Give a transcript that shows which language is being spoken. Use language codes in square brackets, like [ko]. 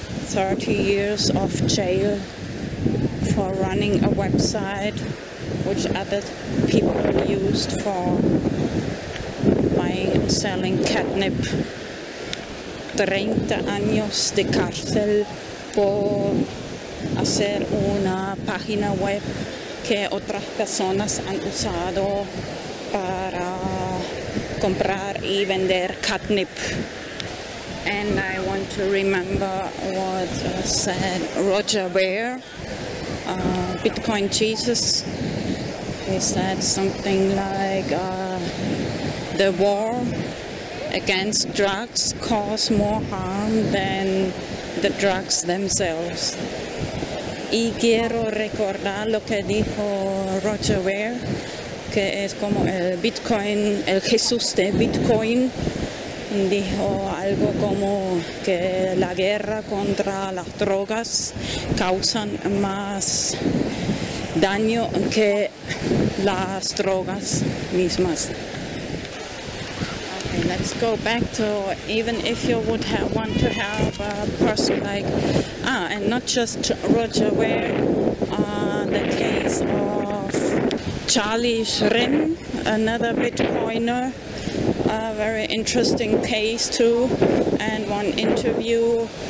[en] 30 years of jail for running a website which other people used for buying and selling catnip. [es] 30 años de cárcel por hacer una página web que otras personas han usado para comprar y vender catnip. [en] And I want to remember what said Roger Ver, Bitcoin Jesus. He said something like, the war against drugs cause more harm than the drugs themselves. [es] Y quiero recordar lo que dijo Roger Ver, que es como el Bitcoin, el Jesús de Bitcoin, dijo algo como que la guerra contra las drogas causan más daño que las drogas mismas. Okay, [en] let's go back to, even if you would have, want to have a person like, and not just Roger Ware, the case of Charlie Schrim, another Bitcoiner, a very interesting case too, and one interview.